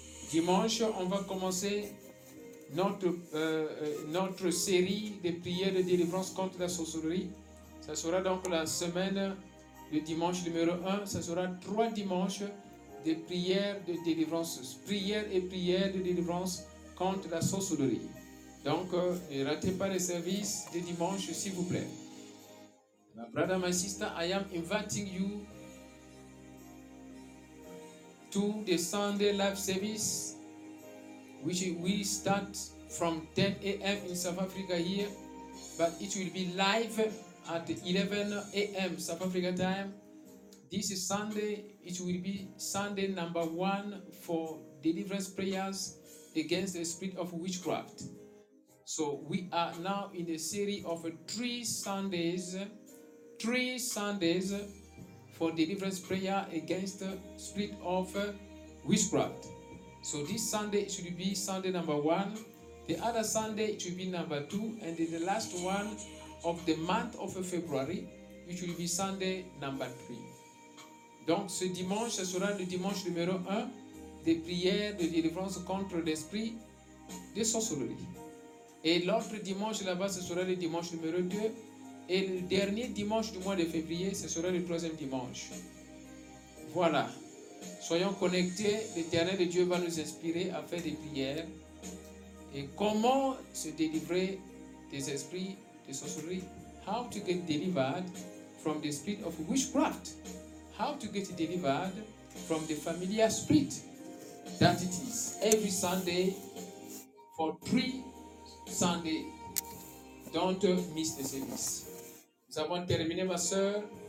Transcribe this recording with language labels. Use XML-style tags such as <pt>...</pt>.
<fr>Dimanche, on va commencer notre série de prières de délivrance contre la sorcellerie. Ça sera donc la semaine de dimanche numéro 1. Ça sera 3 dimanches de prières de délivrance. Prières et prières de délivrance contre la sorcellerie. Donc, ne ratez pas les services de dimanche, s'il vous plaît.</fr> <en>My brother, my sister, I am inviting you to the Sunday live service, which will start from 10 a.m. in South Africa here, but it will be live at 11 a.m. South Africa time. This is Sunday. It will be Sunday number 1 for deliverance prayers against the spirit of witchcraft. So we are now in a series of 3 Sundays for deliverance prayer against the spirit of witchcraft. So this Sunday should be Sunday number 1. The other Sunday should be number 2. And then the last one of the month of February, which will be Sunday number 3.</en> <fr>Donc ce dimanche, ce sera le dimanche numéro 1 des prières de délivrance contre l'esprit de sorcellerie. Et l'autre dimanche là-bas, ce sera le dimanche numéro 2. Et le dernier dimanche du mois de février, ce sera le troisième dimanche. Voilà. Soyons connectés. L'Éternel de Dieu va nous inspirer à faire des prières. Et comment se délivrer des esprits de sorcellerie?</fr> <en>How to get delivered from the spirit of witchcraft? How to get delivered from the familiar spirit that it is? Every Sunday for 3 Sunday. Don't miss the service.</en> <fr>Nous avons terminé, ma soeur.</fr>